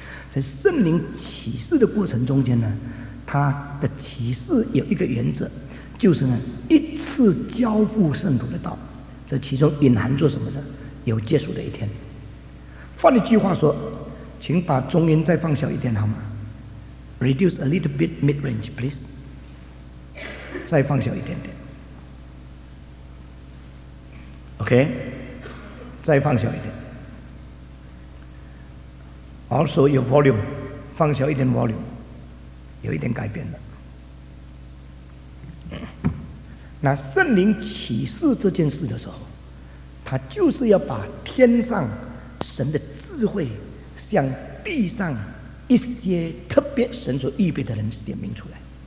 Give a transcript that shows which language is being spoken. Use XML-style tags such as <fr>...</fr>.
<zh>在圣灵启示的过程中间呢，他的启示有一个原则，就是呢一次交付圣徒的道，这其中隐含着什么呢？有结束的一天。换一句话说，请把中音再放小一点好吗？</zh> <en>Reduce a little bit mid-range please，</en> <zh>再放小一点点， OK， 再放小一点。</zh> <en>Also your volume，</en> <zh>放小一点</zh> <en>volume，</en> <zh>有一点改变了。那圣灵启示这件事的时候，他就是要把天上神的智慧向地上一些特别神所预备的人显明出来。</zh>